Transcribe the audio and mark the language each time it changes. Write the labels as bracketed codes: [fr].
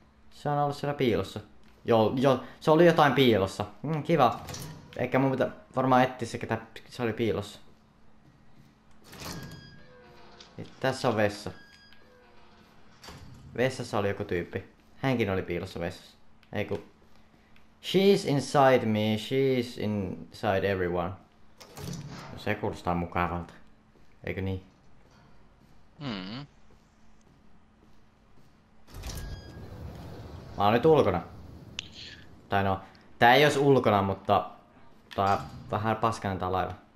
[fi] Se on ollut siellä piilossa. Joo, joo, se oli jotain piilossa. Kiva. Ehkä mun pitää varmaan etsiä se, ketä se oli piilossa. Tässä on vessa. Vessassa oli joku tyyppi. Hänkin oli piilossa vessassa. Ei ku. [en] She's inside me, she's inside everyone. [fi] Se kuulostaa mukavalta. Eikö niin? Mä oon nyt ulkona. Tai no, tää ei ois ulkona, mutta tää on vähän paskainen tää laiva.